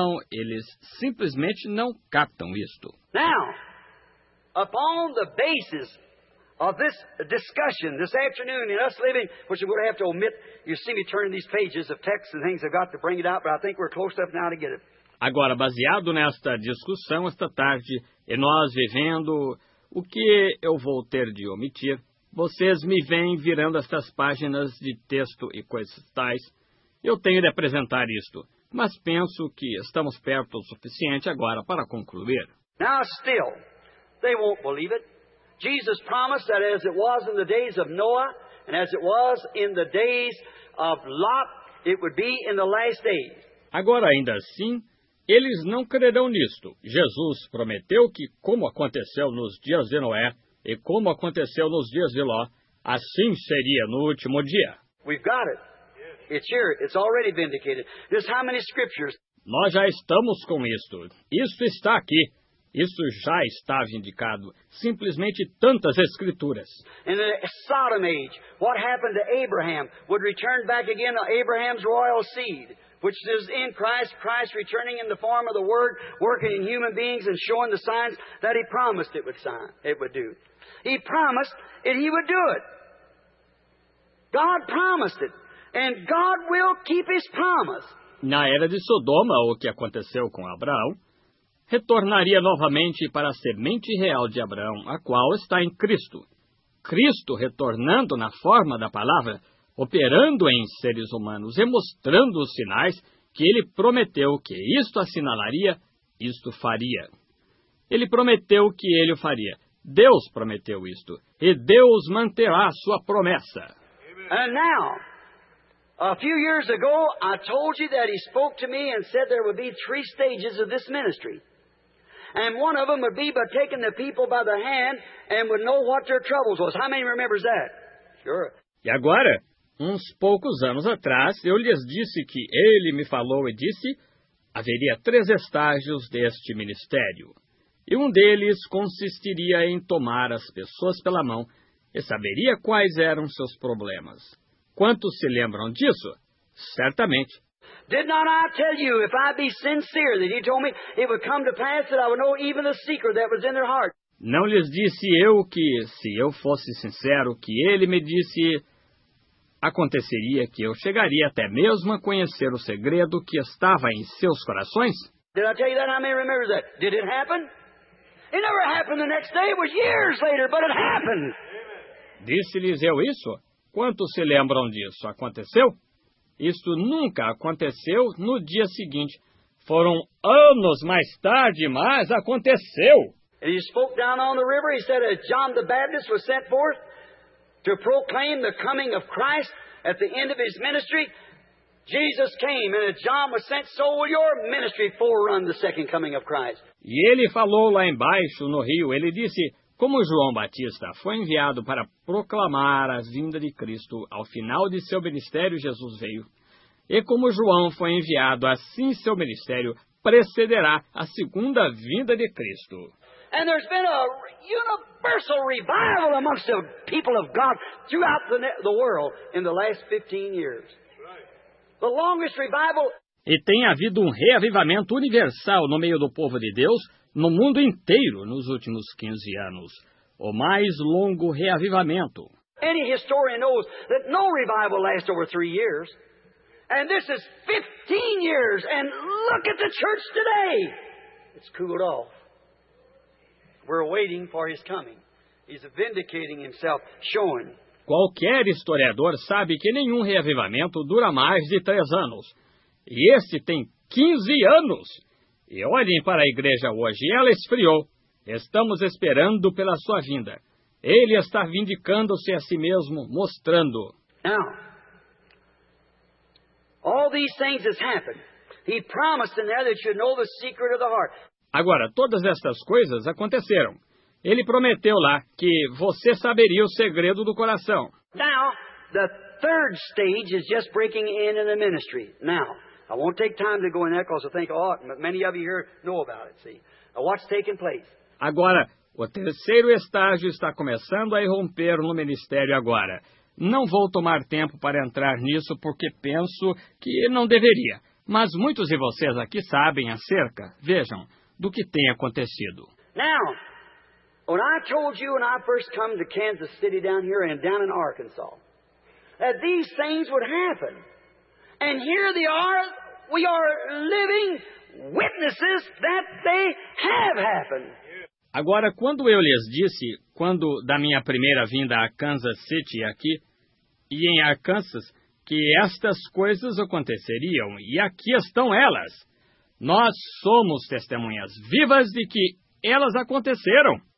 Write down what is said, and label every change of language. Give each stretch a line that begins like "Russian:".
Portuguese: Eles simplesmente não captam isto.
English: Now, upon the basis of this discussion this afternoon in us living, which we're going to have to omit, you see me turning these pages of texts and things, I've got to bring it out, but I think we're close enough now to get it.
Portuguese: Agora, baseado nesta discussão esta tarde e nós vivendo, o que eu vou ter de omitir? Vocês me vêm virando estas páginas de texto e coisas tais. Eu tenho de apresentar isto. Mas penso que estamos perto o suficiente agora para concluir.
English: Now still, they won't believe it. Jesus promised that as it was in the days of Noah and as it was in the days of Lot, it would be in the last days.
Portuguese: Agora, ainda assim, eles não crerão nisto. Jesus prometeu que, como aconteceu nos dias de Noé e como aconteceu nos dias de Ló, assim seria no último dia.
English: We've got it. It's here. It's already vindicated. Just how many scriptures?
Portuguese: Nós já estamos com isto. Isto está aqui. Isso já está vindicado. Simplesmente tantas escrituras.
English: In the Sodom age, what happened to Abraham would return back again to Abraham's royal seed, which is in Christ, Christ returning in the form of the Word, working in human beings and showing the signs that He promised it would sign, it would do. He promised that He would do it. God promised it. And God will keep His promise.
Portuguese: Na era de Sodoma, o que aconteceu com Abraão, retornaria novamente para a semente real de Abraão, a qual está em Cristo. Cristo retornando na forma da palavra, operando em seres humanos e mostrando os sinais que Ele prometeu que isto assinalaria, isto faria. Ele prometeu que Ele o faria. Deus prometeu isto. E Deus manterá a sua promessa.
English: A few years ago, I told you that He spoke to me and said there would be three stages of this ministry. And one of them would be by taking the people by the hand and would know what their troubles was. How many remembers that? Sure.
Portuguese: E agora, uns poucos anos atrás, eu lhes disse que Ele me falou e disse, haveria três estágios deste ministério. E um deles consistiria em tomar as pessoas pela mão e saberia quais eram seus problemas. Quantos se lembram disso? Certamente.
English: Did not I tell you, if I be sincere, that He told me it would come to pass that I would know even the secret that was in their heart?
Portuguese: Não lhes disse eu que, se eu fosse sincero, que Ele me disse, aconteceria que eu chegaria até mesmo a conhecer o segredo que estava em seus corações?
English: Did I tell you that? I may remember that. Did it happen? It never happened the next day. It was years later, but it happened.
Portuguese: Disse-lhes eu isso? Quantos se lembram disso? Aconteceu? Isto nunca aconteceu no dia seguinte. Foram anos mais tarde, mas aconteceu.
English: He spoke down on the river. He said that John the Baptist was sent forth to proclaim the coming of Christ at the end of his ministry. Jesus came, and if John was sent, so will your ministry forerun the second coming of Christ.
Portuguese: E ele falou lá embaixo no rio, ele disse, como João Batista foi enviado para proclamar a vinda de Cristo, ao final de seu ministério Jesus veio. E como João foi enviado, assim seu ministério precederá a segunda vinda de Cristo.
English: And there's been a universal revival amongst the people of God throughout the world in the last 15 years. The longest revival.
Portuguese: E tem havido reavivamento universal no meio do povo de Deus no mundo inteiro nos últimos 15 anos. O mais longo reavivamento.
English: Any historian knows that no revival lasts over 3 years. And this is 15 years. And look at the church today. It's cooled off. We're waiting for His coming. He's vindicating Himself, showing.
Portuguese: Qualquer historiador sabe que nenhum reavivamento dura mais de 3 anos. E este tem 15 anos. E olhem para a igreja hoje, ela esfriou. Estamos esperando pela sua vinda. Ele está vindicando-se a si mesmo, mostrando.
English: Now, all these things has happened. He promised in there that you know the secret of the heart.
Portuguese: Agora, todas estas coisas aconteceram. Ele prometeu lá que você saberia o segredo do coração.
English: Now, the third stage is just breaking in the ministry. Now, I won't take time to go in there because I think, oh, many of you here know about it, see. Now, what's taking place?
Portuguese: Agora, o terceiro estágio está começando a irromper no ministério agora. Não vou tomar tempo para entrar nisso porque penso que não deveria. Mas muitos de vocês aqui sabem acerca, vejam, do que tem acontecido.
English: Now, when I told you when I first come to Kansas City down here and down in Arkansas, that these things would happen. And here they are, we are living witnesses that they have happened.
Portuguese: Agora, quando eu lhes disse, quando da minha primeira vinda a Kansas City aqui, e em Arkansas, que estas coisas aconteceriam, e aqui estão elas. Nós somos testemunhas vivas de que elas aconteceram.